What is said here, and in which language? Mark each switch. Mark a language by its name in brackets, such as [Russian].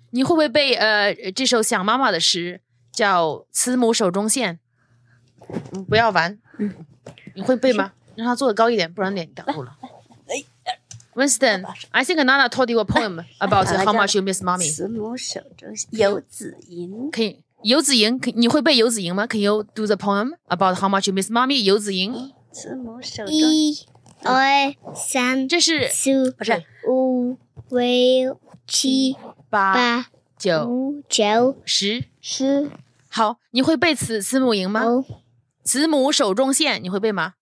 [Chinese] 你会不会背这首想妈妈的诗，叫《慈母手中线》？不要玩。你会背吗？让他坐的高一点，不然脸挡住了。 [English] Winston, I think Nana told you a poem about how much you miss mommy. [Chinese] 慈母手中线，游子吟。可以，游子吟，你会背游子吟吗？ [English] Can you do the poem about how much you miss mommy? [Chinese] 游子吟。慈母手中，一、二、三，这是四、五、六、七、八、九、十。好，你会背慈母吟吗？慈母手中线，你会背吗？